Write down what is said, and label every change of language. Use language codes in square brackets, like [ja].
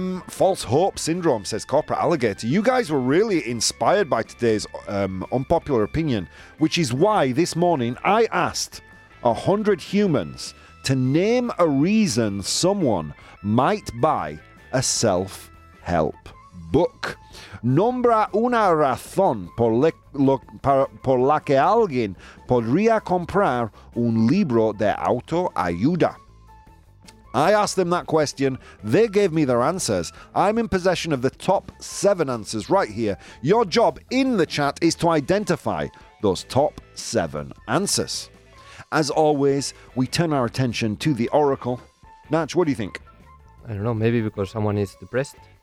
[en] False hope syndrome, says Corporate Alligator. You guys were really inspired by today's unpopular opinion, which is why this morning I asked 100 humans to name a reason someone might buy a self-help book. [es] Nombra una razón por la que alguien podría comprar un libro de autoayuda. [en] I asked them that question. They gave me their answers. I'm in possession of the top 7 answers right here. Your job in the chat is to identify those top 7 answers. As always, we turn our attention to the Oracle. Natch, what do you think? I don't know. Maybe because someone is depressed.